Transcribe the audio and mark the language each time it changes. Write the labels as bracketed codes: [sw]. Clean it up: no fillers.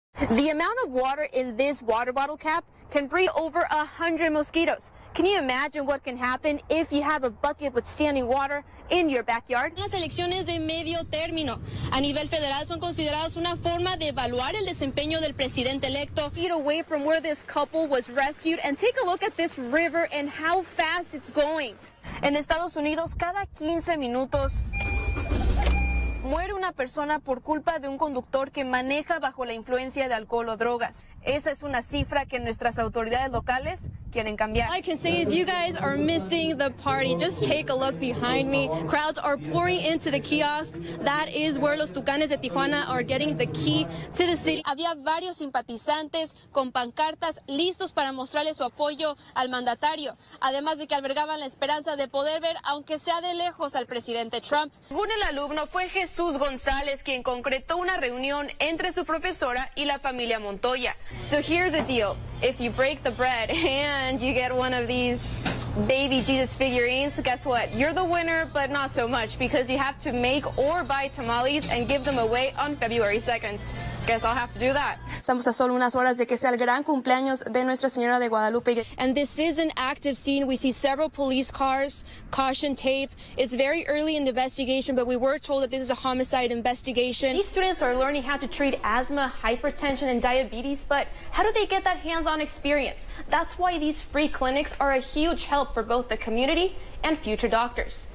[en] The amount of water in this water bottle cap can breed over 100 mosquitoes. Can you imagine what can happen if you have a bucket with standing water in your backyard? [es] Las elecciones de medio término a nivel federal son consideradas una forma de evaluar el desempeño del presidente electo. [en] Feet away from where this couple was rescued and take a look at this river and how fast it's going. [es] En Estados Unidos, cada 15 minutos muere una persona por culpa de un conductor que maneja bajo la influencia de alcohol o drogas. Esa es una cifra que nuestras autoridades locales quieren cambiar. [en] I can say is you guys are missing the party. Just take a look behind me. Crowds are pouring into the kiosk. That is where los Tucanes de Tijuana are getting the key to the city. [es] Había varios simpatizantes con pancartas listos para mostrarle su apoyo al mandatario, además de que albergaban la esperanza de poder ver, aunque sea de lejos, al presidente Trump. Según el alumno, fue Jesús González quien concretó una reunión entre su profesora y la familia Montoya. [en] So here's the deal. If you break the bread and you get one of these baby Jesus figurines, guess what? You're the winner, but not so much, because you have to make or buy tamales and give them away on February 2nd. Guess I'll have to do that. [es] Estamos a solo unas horas de que sea el gran cumpleaños de Nuestra Señora de Guadalupe. [en] And this is an active scene. We see several police cars, caution tape. It's very early in the investigation, but we were told that this is a homicide investigation. These students are learning how to treat asthma, hypertension, and diabetes, but how do they get that hands-on experience? That's why these free clinics are a huge help for both the community and future doctors.